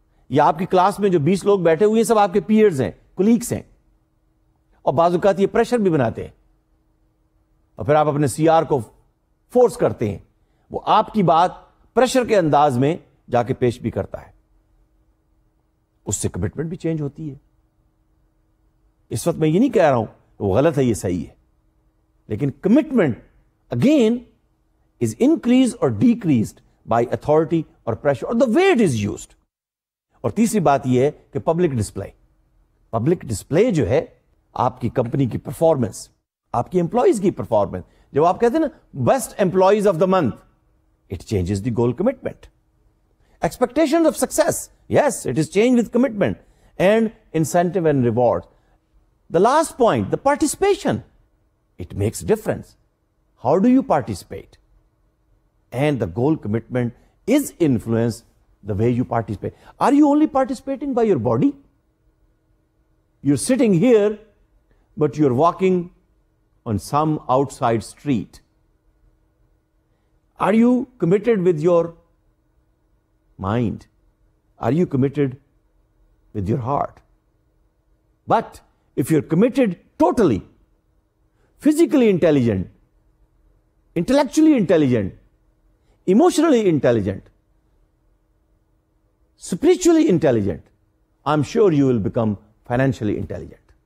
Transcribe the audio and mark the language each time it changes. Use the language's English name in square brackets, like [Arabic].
[Urdu] یا آپ کی کلاس میں جو 20 لوگ بیٹھے ہوئے ہیں سب آپ کے پیئرز ہیں, کولیگز ہیں, اور بعض اوقات یہ پریشر بھی بناتے ہیں, اور پھر آپ اپنے سی آر کو فورس کرتے ہیں, وہ آپ کی بات پریشر کے انداز میں جا کے پیش بھی کرتا ہے, اس سے کمٹمنٹ بھی چینج ہوتی ہے. اس وقت میں یہ نہیں کہہ رہا ہوں وہ غلط ہے یہ صحیح ہے, لیکن commitment again [English] is increased or decreased by authority or pressure or the way it is used. [Urdu] اور تیسری بات یہ ہے کہ پبلک ڈسپلے, پبلک ڈسپلے جو ہے آپ کی کمپنی کی پرفارمنس, آپ کی امپلائیز کی پرفارمنس. جب آپ کہتے ہیں نا [English] Best employees of the month, it changes the goal commitment. Expectation of success, yes it is change with commitment and incentive and reward. The last point, the participation, it makes difference. How do you participate and the goal commitment is influence the way you participate. Are you only participating by your body? You are sitting here but you are walking on some outside street. Are you committed with your mind? Are you committed with your heart? But if you're committed totally, physically intelligent, intellectually intelligent, emotionally intelligent, spiritually intelligent, I'm sure you will become financially intelligent.